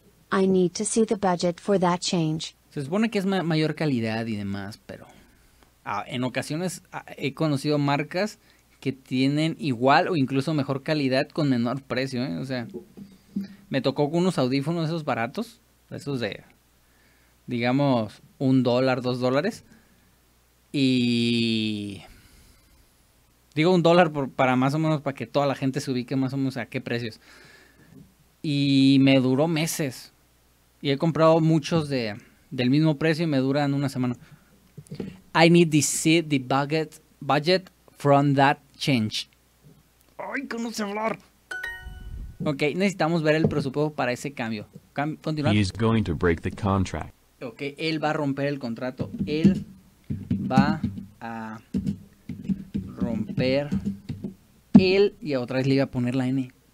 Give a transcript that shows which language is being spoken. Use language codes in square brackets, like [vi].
[en] I need to see the budget for that change. [es] Se supone que es mayor calidad y demás, pero en ocasiones he conocido marcas que tienen igual o incluso mejor calidad con menor precio, ¿eh? O sea, me tocó con unos audífonos esos baratos, esos de, digamos, $1, $2. Y digo un dólar por, para más o menos para que toda la gente se ubique más o menos a qué precios. Y me duró meses. Y he comprado muchos de del mismo precio y me duran una semana. [en] I need to see the budget from that change. [es] ¡Ay, con un celular! Ok, necesitamos ver el presupuesto para ese cambio. Continuar. [en] He's going to break the contract. [es] Ok, él va a romper el contrato. Él va a romper el... Y otra vez le iba a poner la N.